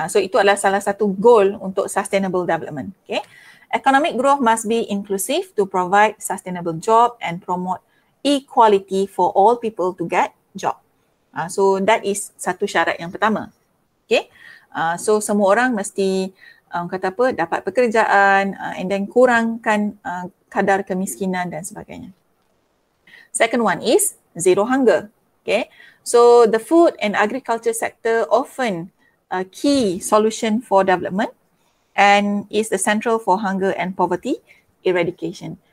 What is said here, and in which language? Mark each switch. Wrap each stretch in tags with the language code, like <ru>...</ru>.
<ms>So itu adalah salah satu goal untuk sustainable development, okay?</ms> <en>Economic growth must be inclusive to provide sustainable job and promote equality for all people to get job. So that is</en> <ms>satu syarat yang pertama, okay? So semua orang mesti kata apa, dapat pekerjaan</ms> <en>and then</en> <ms>kurangkan kadar kemiskinan dan sebagainya.</ms> <en>Second one is zero hunger. Okay, so the food and agriculture sector often a key solution for development and is the central for hunger and poverty eradication.</en>